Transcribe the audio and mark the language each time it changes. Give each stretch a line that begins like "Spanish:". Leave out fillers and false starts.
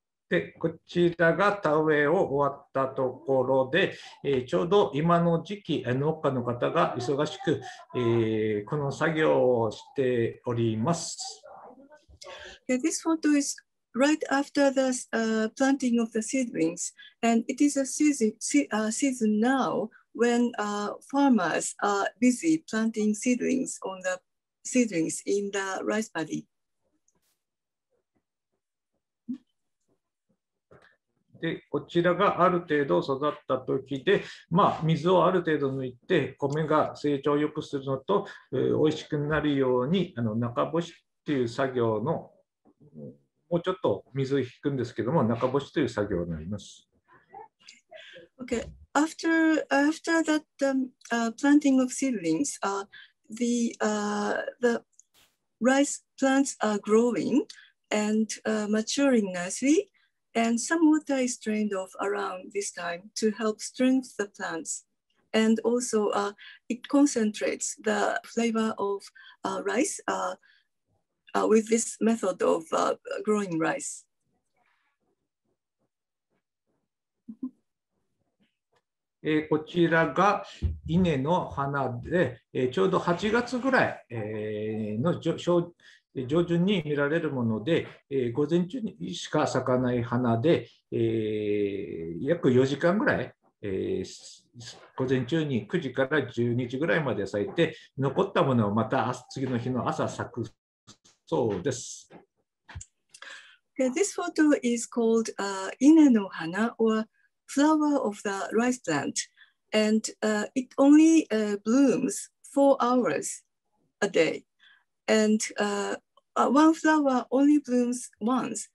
Japanese: でこちらが田植えを終わったところで、ちょうど今の時期農家の方が忙しく、この作業をしております。
English: Yeah, this photo is right after the planting of the seedlings, and it is a season now when farmers are busy planting seedlings on the seedlings in the rice paddy.
Japanese: でこちらがある程度育った時で、まあ、水をある程度抜いて米が成長を良くするのと、美味しくなるようにあの中干しっていう作業のもうちょっと水を引くんですけども中干しという作業になります。
English: Okay. After that planting of seedlings, the rice plants are growing and maturing nicely. And some water is drained off around this time to help strengthen the plants. And also, it concentrates the flavor of rice with this method of growing rice.
Japanese: こちらが稲の花で、ちょうど8月ぐらいの上旬に見られるもので、午前中にしか咲かない花で、約4時間ぐらい、午前中に9時から12時ぐらいまで咲いて、残ったものをまた次の日の朝咲くそうです。
English: Okay, this photo is called 稲の花 or flower of the rice plant, and it only blooms 4 hours a day. And one flower only blooms once.